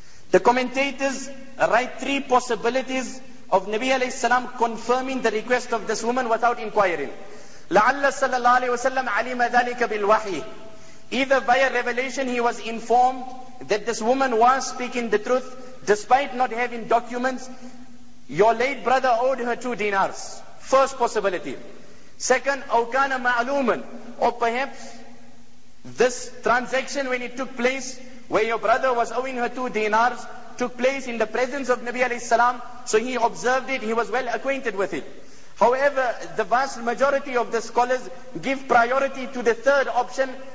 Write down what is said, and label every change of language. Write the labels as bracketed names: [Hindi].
[English] The commentators write 3 possibilities of Nabi alayhi salam confirming the request of this woman without inquiring. [Arabic] لَعَلَّ صَلَى اللَّهُ عَلَيْهِ وَسَلَّمْ عَلِيمَ ذَلِكَ بِالْوَحِي. [English] Either via revelation he was informed that this woman was speaking the truth despite not having documents. Your late brother owed her 2 dinars. First possibility. Second, [Arabic] أَوْ كَانَ مَعْلُومًا. [English] Or perhaps this transaction when it took place where your brother was owing her 2 dinars took place in the presence of Nabi alayhi salam, so he observed it, he was well acquainted with it. However, the vast majority of the scholars give priority to the third option.